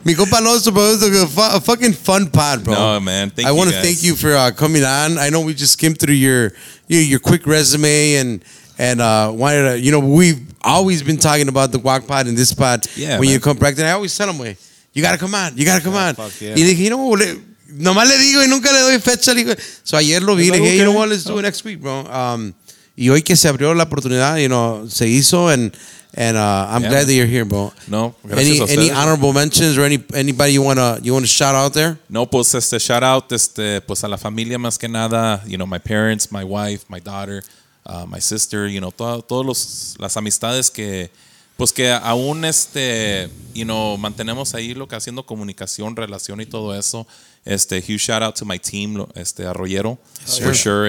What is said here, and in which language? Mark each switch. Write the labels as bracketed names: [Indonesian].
[English] Mi compa Alonso, bro, it was a fucking fun pod, bro. No, man. Thank you, I want to thank you for coming on. I know we just skimmed through your quick resume and wanted to, you know, we've always been talking about the guac pod in this pod. Yeah, when man. You come back, then I always tell him, you got to come on. You got to come on. Fuck yeah. Y dije, you know what? [Spanish] Nomás le digo y nunca le doy fecha. So ayer lo vi y le dije, you know what, let's do it next week, bro. Y hoy que se abrió la oportunidad, you know, se hizo. [English] And I'm glad that you're here, bro. [Spanish] No, [English] any honorable mentions or anybody you wanna shout out there? [Spanish] No, pues shout out pues a la familia más que nada. [English] You know, my parents, my wife, my daughter, my sister. [Spanish] You know, todas las amistades que... Pues que aún you know, mantenemos ahí lo que haciendo comunicación, relación y todo eso. [English] Huge shout out to my team, Arroyero. Sure.